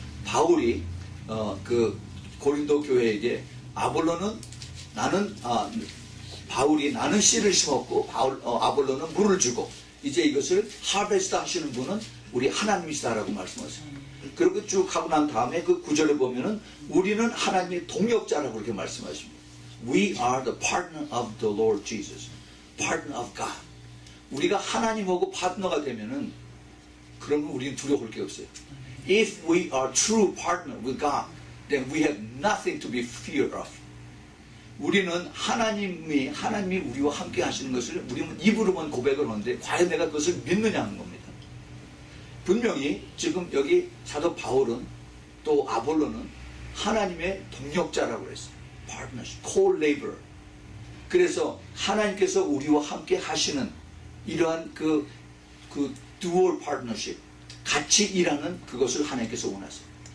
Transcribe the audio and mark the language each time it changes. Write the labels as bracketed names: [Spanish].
[Korean] 바울이 그 고린도 교회에게 아볼로는 나는 바울이 나는 씨를 심었고 아볼로는 물을 주고 이제 이것을 하베스트 하시는 분은 우리 하나님이시다라고 말씀하세요. 그렇게 쭉 하고 난 다음에 그 구절을 보면은 우리는 하나님의 동역자라고 그렇게 말씀하십니다. [English] We are the partner of the Lord Jesus. Partner of God. [Korean] 우리가 하나님하고 파트너가 되면은 그러면 우리는 두려울 게 없어요. [English] If we are true partner with God, then we have nothing to be feared of. [Korean] 우리는 하나님이 우리와 함께 하시는 것을 우리는 입으로만 고백을 하는데 과연 내가 그것을 믿느냐는 겁니다. 분명히 지금 여기 사도 바울은 또 아볼로는 하나님의 동역자라고 했어요. [English] Partnership, co-labor. [Korean] 그래서 하나님께서 우리와 함께 하시는 이러한 그 dual partnership, 같이 일하는 그것을 하나님께서 원하세요.